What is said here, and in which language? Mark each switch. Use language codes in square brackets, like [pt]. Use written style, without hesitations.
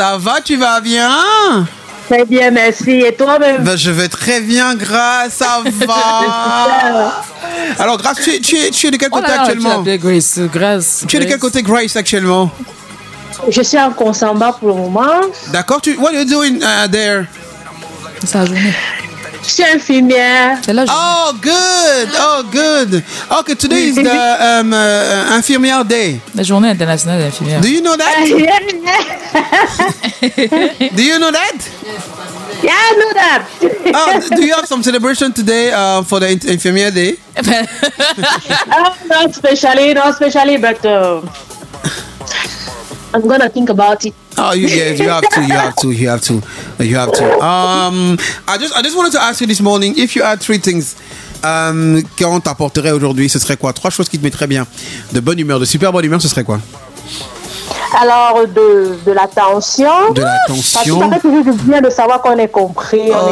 [fr] Ça va, tu vas bien? Très bien, merci. Et toi-même? Ben, je vais très bien, Grâce. Ça va. Alors, Grâce, tu es de quel côté actuellement? Oh là là, Grâce. Tu es de quel côté, Grâce, actuellement? Je suis en Consamba pour le moment. D'accord. [en] What are you doing there? [fr] Ça va. Je suis infirmière. C'est là, [en] Oh, good. Ok, today is the infirmière day. [fr] La journée internationale d'infirmière. [en] Do you know that? Do you know that? Yeah, I know that. Oh, do you have some celebration today for the Infirmier Day? not specially, but I'm gonna think about it. Oh, you have to. I just wanted to ask you this morning if you had three things. [fr] Qu'on t'apporterait aujourd'hui, ce serait quoi? Trois choses qui te mettraient bien, de bonne humeur, de super bonne humeur, ce serait quoi? Alors, de l'attention. De l'attention. Parce que ça fait toujours du bien de savoir qu'on est compris.